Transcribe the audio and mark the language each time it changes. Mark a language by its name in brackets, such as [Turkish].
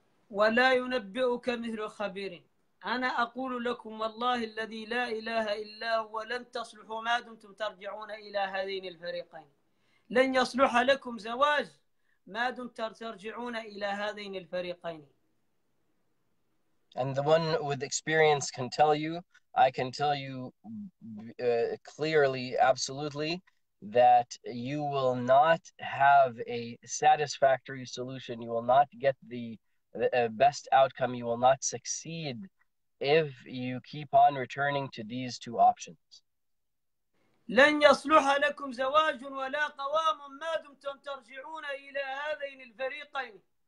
[Arabic] ولا ينبئك مثل خبير انا اقول لكم والله الذي لا اله الا هو لن تصلحوا ما دمتم ترجعون الى هذين الفريقين لن يصلح لكم زواج ما دمتم ترجعون الى هذين الفريقين. [English] And the one with experience can tell you, I can tell you clearly, absolutely, that you will not have a satisfactory solution. You will not get the best outcome. You will not succeed if you keep on returning to these two options. [Arabic] لن يصلح لكم زواج ولا قوام ما دمتم ترجعون إلى هذين الفريقين.